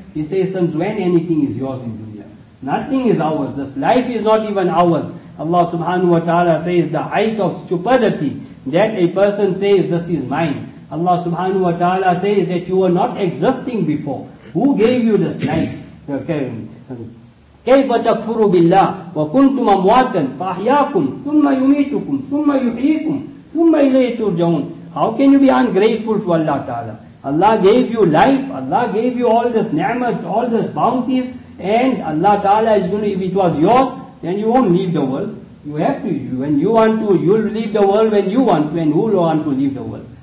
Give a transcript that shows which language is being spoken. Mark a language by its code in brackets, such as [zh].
[en] He says, since when anything is yours in dunya? Nothing is ours. This life is not even ours. Allah subhanahu wa ta'ala says, the height of stupidity, that a person says, this is mine. Allah subhanahu wa ta'ala says that you were not existing before. Who gave you this life? Okay. [ar] كيف تكفروا بالله وكنتم امواتا فاحياكم ثم يميتكم ثم يحييكم ثم اليه ترجعون. [en] How can you be ungrateful to Allah Ta'ala? Allah gave you life, Allah gave you all this ni'mat, all this bounties, and Allah Ta'ala is going to, if it was yours, then you won't leave the world. You have to, when you want to, you'll leave the world when you want to, and who will want to leave the world?